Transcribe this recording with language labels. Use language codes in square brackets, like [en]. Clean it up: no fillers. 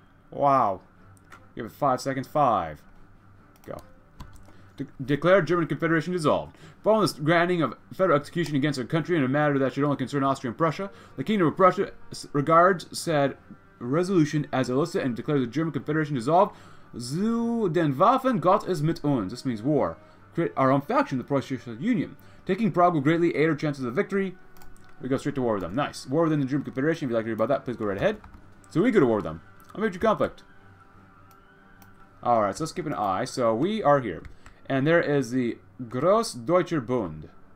[en] Wow. Give it 5 seconds. Five. Go. Declare German Confederation dissolved. Following the granting of federal execution against our country in a matter that should only concern Austria and Prussia, the Kingdom of Prussia regards said resolution as illicit and declares the German Confederation dissolved. [de] Zu den Waffen, Gott ist mit uns. [en] This means war. Create our own faction, the Prussian Union. Taking Prague will greatly aid our chances of victory. We go straight to war with them. Nice. War within the German Confederation. If you'd like to hear about that, please go right ahead. So we go to war with them. A major conflict. Alright, so let's keep an eye. So we are here. And there is the Gross Deutscher Bund.